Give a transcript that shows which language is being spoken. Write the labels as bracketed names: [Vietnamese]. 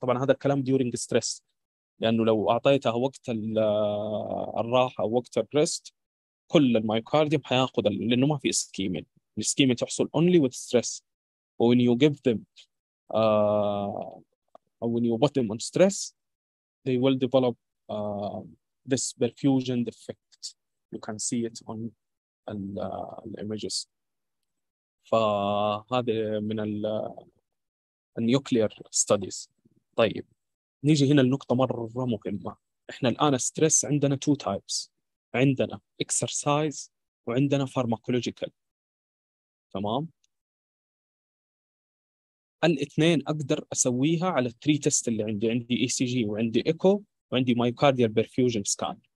[Arabic] طبعا هذا الكلام ديورينج ستريس، لانه لو اعطيتها وقت الراحه وقت الريست كل المايوكارديوم حياخذ، لانه ما في اسكيميا، الاسكيميا تحصل [English] اونلي وذ ستريس. وين يو جيف ذم [Arabic] او [English] When you put them on stress they will develop this perfusion defect. You can see it on the images. [Arabic] فهذا من النيوكلير ستاديز. طيب نيجي هنا النقطة مرة مهمة، احنا الآن ستريس عندنا [English] two types، [Arabic] عندنا exercise وعندنا pharmacological، تمام؟ الاثنين أقدر أسويها على [English] three tests [Arabic] اللي عندي، عندي ECG وعندي echo وعندي myocardial perfusion scan.